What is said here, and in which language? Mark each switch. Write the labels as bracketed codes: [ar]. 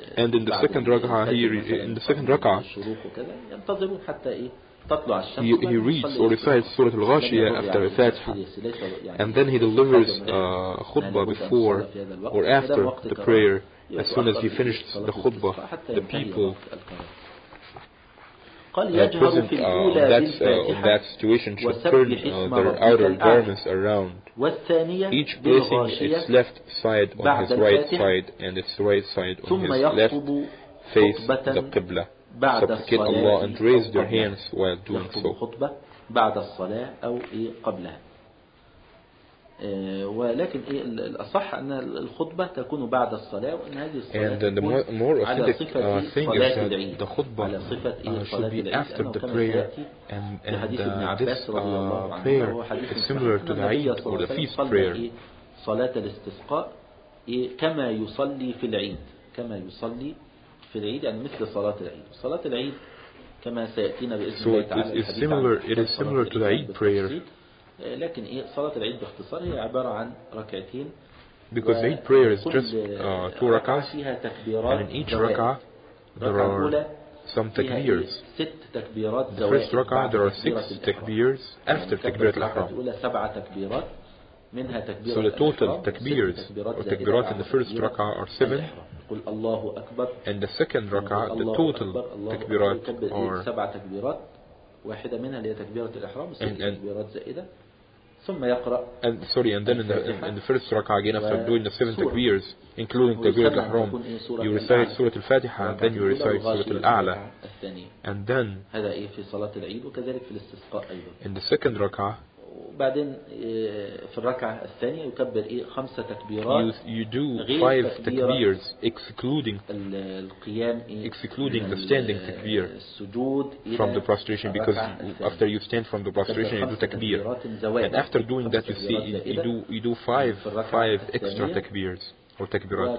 [en] and in the second ركعة in the second ركعة [ar] الشروق وكذا ينتظرون حتى إيه تطلع الشمس. [en] He reads or recites سورة الغاشية after الفاتحة and then he delivers خطبة before or after the prayer as soon as he finished the khutbah. The people present that situation should turn their outer garments around. Each placing its left side on his right side and its right side on his left face the Qibla. Supplicate Allah and raise their hands while doing so. [ar] بعد الصلاة أو قبلها. ولكن الأصح أن الخطبة تكون بعد الصلاة، وأن هذه الصلاة [en] and the more authentic thing is that the khutbah should be after the prayer and this prayer is similar to the Eid or the feast prayer. [ar] صلاة الاستسقاء كما يصلي في العيد، كما يصلي في العيد يعني مثل صلاة العيد. صلاة العيد كما سيأتينا بإذن الله تعالى. [en] So it is similar to the Eid prayer. [ar] لكن إيه صلاة العيد باختصار هي عبارة عن ركعتين. [en] Because Eid prayer is just two rak'ahs. [ar] فيها تكبيرات. [en] And in each rak'ah there are some takbirs. [ar] ست تكبيرات. [en] The first rak'ah there are six takbirs after تكبيرة الإحرام. [ar] الأولى سبعة تكبيرات منها تكبيرة. [en] So the total takbirs or takbirat in the first rak'ah are seven. [ar] قل الله أكبر. [en] And the second rak'ah the total takbirat are [ar] سبعة تكبيرات. واحدة منها اللي هي تكبيرة الإحرام تكبيرات زائدة ثم يقرأ [en] and sorry and then in the first rak'ah again after doing the seven takbirs including تكبيرة الإحرام you recite سورة الفاتحة and then you recite سورة الأعلى and then [ar] هذا إيه في صلاة العيد وكذلك في الاستسقاء أيضا [en] in the second rak'ah [ar] وبعدين في الركعة الثانية يكبر إيه خمسة تكبيرات [en] you do five takbirs excluding [ar] القيام [en] excluding the standing takbir [ar] السجود [en] from the prostration because after you stand from the prostration you do takbir and after doing that you see you do five extra takbirs or takbirat